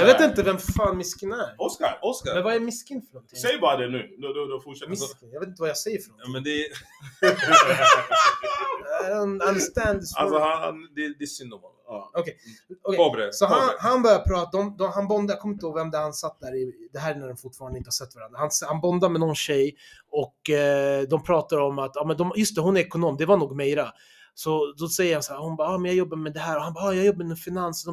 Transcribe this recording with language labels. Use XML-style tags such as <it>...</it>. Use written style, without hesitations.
<sv>Jag vet inte vem fan Miskin är. Oscar. Men vad är Miskin för någonting? Säg bara det nu. Då fortsätter jag. Miskin, jag vet inte vad jag säger för någonting. Ja, men det är...</sv> <en>I don't understand this.</en> <sv>Alltså, det är synd om honom. Okay. Så han börjar prata om han bondade, jag kommer inte ihåg vem det är, han satt där i, det här när de fortfarande inte har sett varandra. Han bondade med någon tjej och de pratar om att just det, hon är ekonom, det var nog Meira. Så då säger han så här, hon bara, men jag jobbar med det här. Och han bara, jag jobbar med finans.</sv>